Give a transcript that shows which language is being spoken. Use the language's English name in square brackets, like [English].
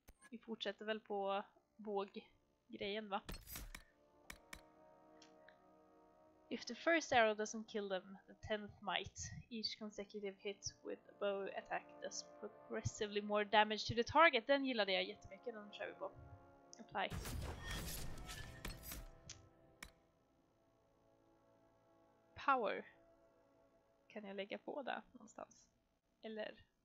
[Swedish] Vi fortsätter väl på våggrejen, va? [English] If the first arrow doesn't kill them, the tenth might. Each consecutive hit with a bow attack does progressively more damage to the target. [Swedish] Den gillade jag jättemycket, den kör vi på. Apply. Power. Kan jag lägga på det någonstans? Eller?